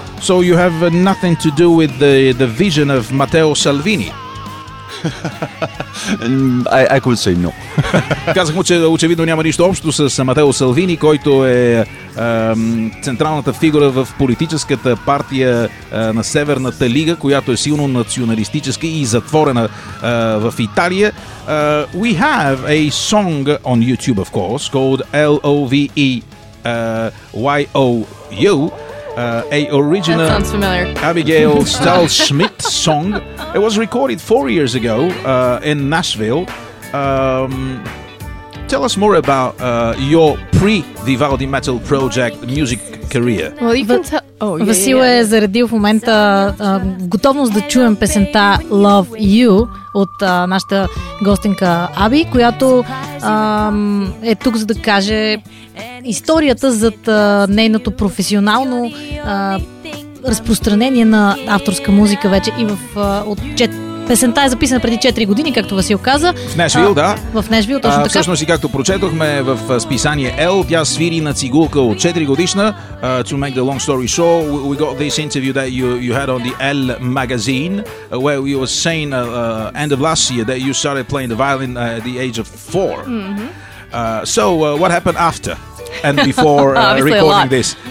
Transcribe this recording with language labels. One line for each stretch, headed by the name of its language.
English: So you have nothing to do with the vision of Matteo Salvini. I could say no.
Bulgarian: Казах му, че очевидно няма нищо общо с Матео Салвини, който е централната фигура в политическата партия на Северната лига, която е силно националистическа и затворена в Италия.
English: We have a song on YouTube, of course, called L-O-V-E Y-O-U, a original Abigail Stahlschmidt song. It was recorded 4 years ago in Nashville. Tell us more about your pre-Vivaldi Metal Project music career. Well, you can tell...
Bulgarian: Васил е заредил в момента готовност да чуем песента Love You от нашата гостинка Аби, която е тук за да каже историята зад нейното професионално разпространение на авторска музика вече и в песента е записана преди 4 години, както Васил каза. В Нешвил, да. В Нешвил, точно така. Всъщност и както прочетохме в списание L, тя свири на цигулка от 4 годишна.
English: To make the long story short, we got this interview that you had on the L magazine, where you were saying end of last year that you started playing the violin at the age of 4. Mm-hmm. So, what happened after and before recording this?